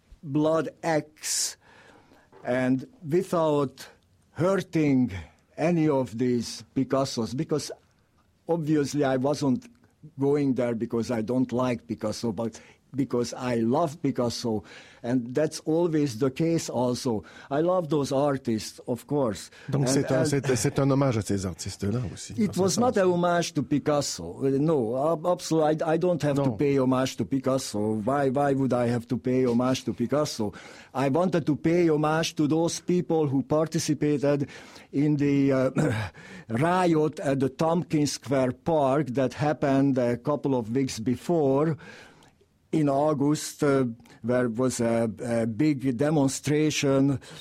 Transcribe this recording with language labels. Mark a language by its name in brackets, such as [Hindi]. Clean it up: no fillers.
[English] blood X, and without hurting any of these Picassos, because obviously I wasn't going there because I don't like Picasso, but because I love Picasso, and that's always the case also. I love those artists, of course. [French] Donc c'est un hommage à ces artistes-là aussi. [English] It was not a homage to Picasso. No, absolutely, I don't have to pay homage to Picasso. Why would I have to pay homage to Picasso? I wanted to pay homage to those people who participated in the riot at the Tompkins Square Park that happened a couple of weeks before, in August, there was a big demonstration